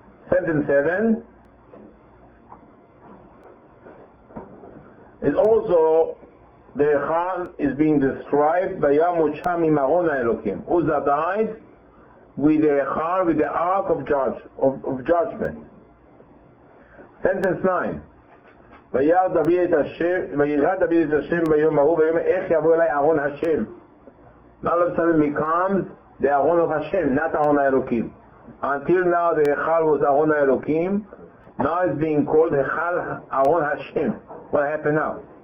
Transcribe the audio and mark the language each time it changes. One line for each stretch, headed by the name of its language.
English: Sentence 7 is also the Echal is being described by Yamucha Mimaron HaElokim. Uzzah died with the Echal, with the Ark of judge, of judgment. Sentence 9.
Hebrew: וירד דוד את השם ביום ההוא ויאמר איך יבוא אלי אהרון השם.
English: Now all of a sudden he comes, the Aaron of Hashem, not Aaron האלוקים. Until now the Echal was Aaron האלוקים, now it's being called Echal Aaron Hashem. What happened now?